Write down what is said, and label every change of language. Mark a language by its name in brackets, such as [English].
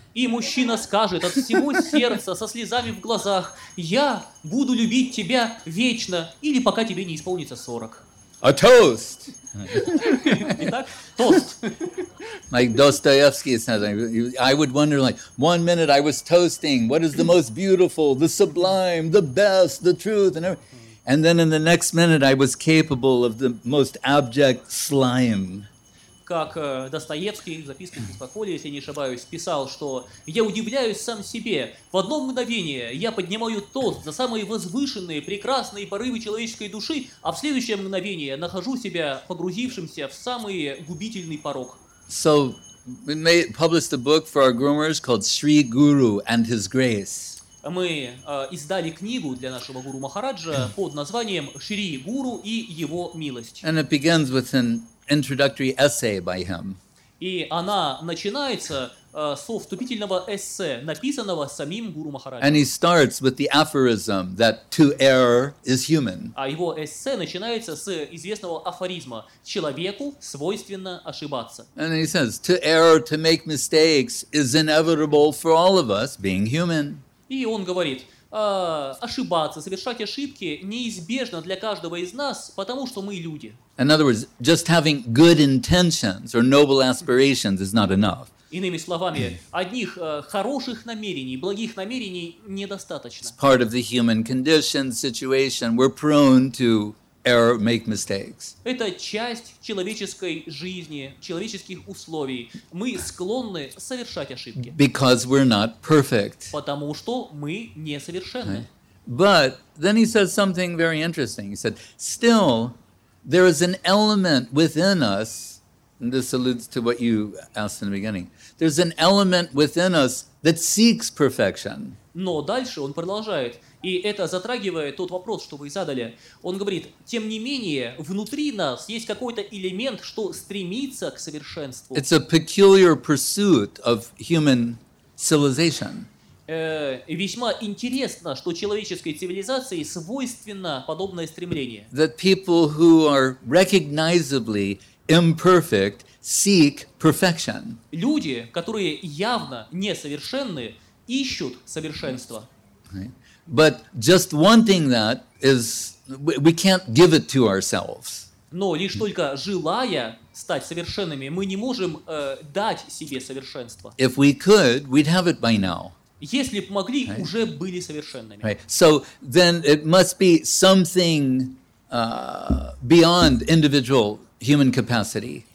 [Russian] И мужчина скажет от всего сердца, со слезами в глазах, я буду любить тебя вечно или пока тебе не исполнится 40. [English] A toast. [Russian] Итак, тост. [English] Like Dostoevsky says, I would wonder, like, one minute I was toasting, what is the most beautiful, the sublime, the best, the truth, and everything. And then in the next minute I was capable of the most abject slime. [Russian] Как Достоевский в записке «Беспокойство», если не ошибаюсь, писал, что «я удивляюсь сам себе. В одно мгновение я поднимаю тост за самые возвышенные, прекрасные порывы человеческой души, а в следующее мгновение нахожу себя погрузившимся в самый губительный порок». [English] So, we made, published a book for our groomers called «Sri Guru and His Grace». [Russian] Мы издали книгу для нашего гуру Махараджа под названием «Шри Гуру и Его Милость». [English] And it begins with an introductory essay by him. [Russian] И она начинается со вступительного эссе, написанного самим гуру Махараджем. [English] And he starts with the aphorism that to err is human. [Russian] А его эссе начинается с известного афоризма: человеку свойственно ошибаться. [English] And he says, to err, to make mistakes is inevitable for all of us being human. [Russian] И он говорит: ошибаться, совершать ошибки неизбежно для каждого из нас, потому что мы люди. [English] In other words, just having good intentions or noble aspirations is not enough. [Russian] Иными словами, одних хороших намерений, благих намерений недостаточно. [English] It's part of the human condition, situation. We're prone to error, make mistakes. [Russian] Это часть человеческой жизни, человеческих условий. Мы склонны совершать ошибки. [English] Because we're not perfect. [Russian] Потому что мы несовершенны. [English] But then he says something very interesting. He said, still, there is an element within us, and this alludes to what you asked in the beginning, there's an element within us that seeks perfection. [Russian] Но дальше он продолжает. И это затрагивает тот вопрос, что вы задали. Он говорит, тем не менее, внутри нас есть какой-то элемент, что стремится к совершенству. [English] It's a peculiar pursuit of human civilization. [Russian] Весьма интересно, что человеческой цивилизации свойственно подобное стремление. [English] That people who are recognizably imperfect seek perfection. [Russian] Люди, которые явно несовершенны, ищут совершенства. [English] Right. But just wanting that is, we can't give it to ourselves. [Russian] Но лишь только желая стать совершенными, мы не можем дать себе совершенство. [English] If we could, we'd have it by now. [Russian] Если б могли, [English] right. [Russian] Уже были совершенными. [English] Right. So then it must be something beyond individual human capacity.